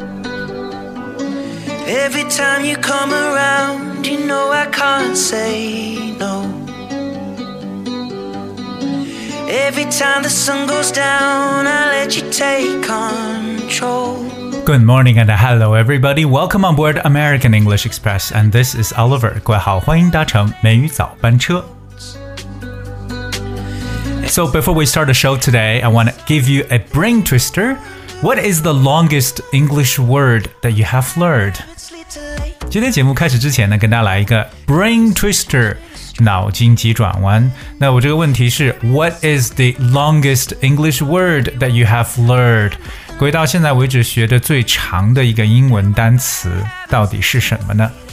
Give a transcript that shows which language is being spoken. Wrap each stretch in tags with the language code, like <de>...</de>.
<en>Every time you come around, you know I can't say no. Every time the sun goes down, I let you take control. Good morning and hello everybody. Welcome on board American English Express. And this is Oliver.</en> <zh>各位好，欢迎搭乘美语早班车。</zh> <en>So before we start the show today, I want to give you a brain twister. What is the longest English word that you have learned?</en> <zh>今天节目开始之前呢，跟大家来一个</zh> <en>brain twister,</en> <zh>脑筋急转弯。那我这个问题是</zh> <en>What is the longest English word that you have learned?</en> <zh>各位到现在为止学的最长的一个英文单词到底是什么呢？</zh>